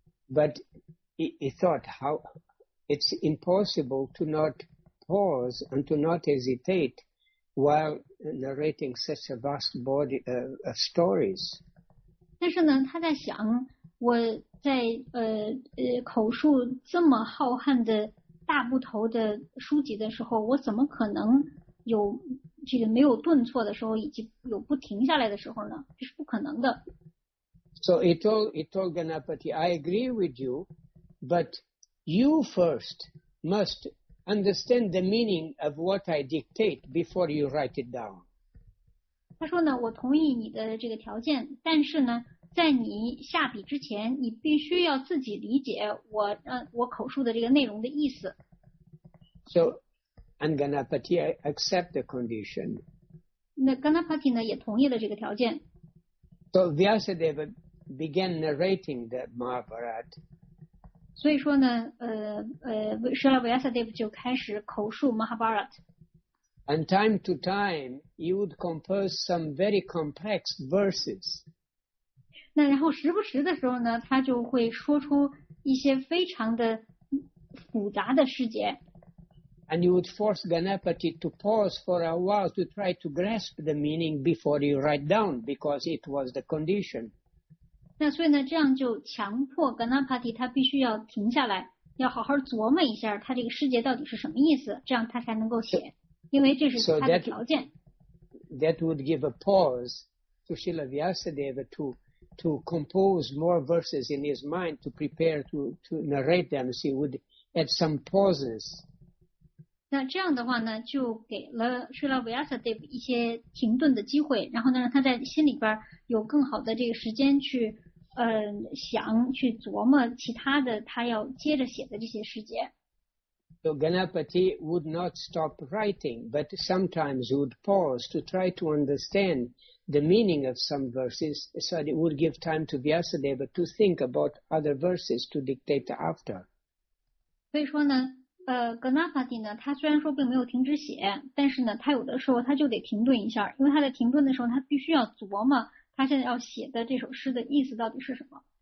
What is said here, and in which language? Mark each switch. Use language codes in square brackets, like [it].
[en] But he thought how it's impossible to not pause and to not hesitate while narrating such a vast body of stories. [zh] 但是呢他在想我在口述这么浩瀚的大部头的书籍的时候，我怎么可能有这个没有顿挫的时候，以及有不停下来的时候呢？这是不可能的。 [en] So he told Ganapati, I agree with you, but you first must understand the meaning of what I dictate before you write it down. [zh] 他说呢，我同意你的这个条件，但是呢，在你下笔之前，你必须要自己理解我口述的这个内容的意思。 [en] So, and Ganapati accept the condition. [zh] 那 Ganapati 呢也同意了这个条件。 [en] So Vyasadeva began narrating the Mahabharata. [zh] 所以说呢，Srila Vyasadeva 就开始口述 Mahabharata。 [en] And time to time, he would compose some very complex verses. [zh] 那然后时不时的时候呢，他就会说出一些非常的复杂的诗节。 [en] And he would force Ganapati to pause for a while to try to grasp the meaning before he write down, because it was the condition. [zh] 那所以呢，这样就强迫 Ganapati 他必须要停下来，要好好琢磨一下他这个诗节到底是什么意思，这样他才能够写。因为这是他的条件。 [en] So that would give a pause to Srila Vyasadeva to compose more verses in his mind to prepare to narrate them. So he would add some pauses. [zh] 那这样的话呢，就给了 Srila Vyasadeva 一些停顿的机会，然后呢，让他在心里边有更好的这个时间去想去琢磨其他的他要接着写的这些诗节。 [en] So Ganapati would not stop writing, but sometimes would pause to try to understand the meaning of some verses, so it would give time to Vyasadeva to think about other verses to dictate after. [zh] 所以说呢，Ganapati 呢，他虽然说并没有停止写，但是呢，他有的时候他就得停顿一下，因为他在停顿的时候，他必须要琢磨他现在要写的这首诗的意思到底是什么。